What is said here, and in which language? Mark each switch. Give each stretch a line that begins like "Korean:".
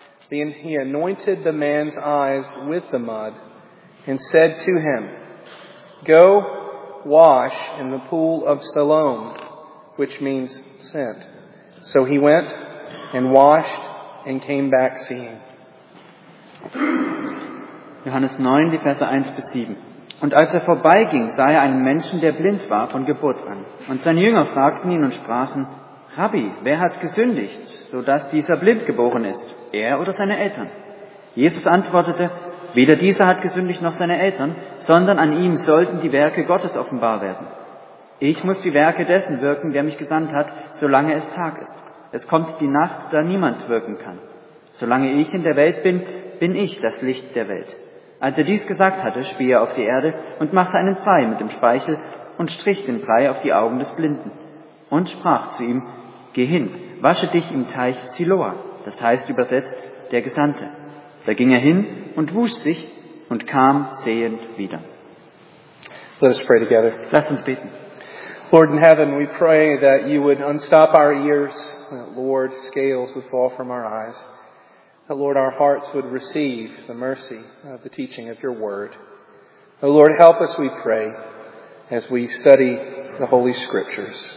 English: Then he anointed the man's eyes with the mud and said to him, Go wash in the pool of Siloam, which means sent. So he went and washed and came back seeing.
German: Johannes 9, die Verse 1 bis 7. Und als er vorbeiging, sah er einen Menschen, der blind war von Geburt an. Und seine Jünger fragten ihn und sprachen, Rabbi, wer hat gesündigt, sodass dieser blind geboren ist, er oder seine Eltern? Jesus antwortete, weder dieser hat gesündigt noch seine Eltern, sondern an ihm sollten die Werke Gottes offenbar werden. Ich muss die Werke dessen wirken, der mich gesandt hat, solange es Tag ist. Es kommt die Nacht, da niemand wirken kann. Solange ich in der Welt bin, bin ich das Licht der Welt. Als er dies gesagt hatte, spie er auf die Erde und machte einen Brei mit dem Speichel und strich den Brei auf die Augen des Blinden und sprach zu ihm, geh hin, wasche dich im Teich Siloa, das heißt übersetzt der Gesandte. Da ging er hin und wusch sich und kam sehend wieder.
English: Let us pray together.
German: Lass uns beten.
English: Lord in heaven, we pray that you would unstop our ears, that Lord, scales would fall from our eyes. That, Lord, our hearts would receive the mercy of the teaching of your word. Oh, Lord, help us, we pray, as we study the Holy Scriptures.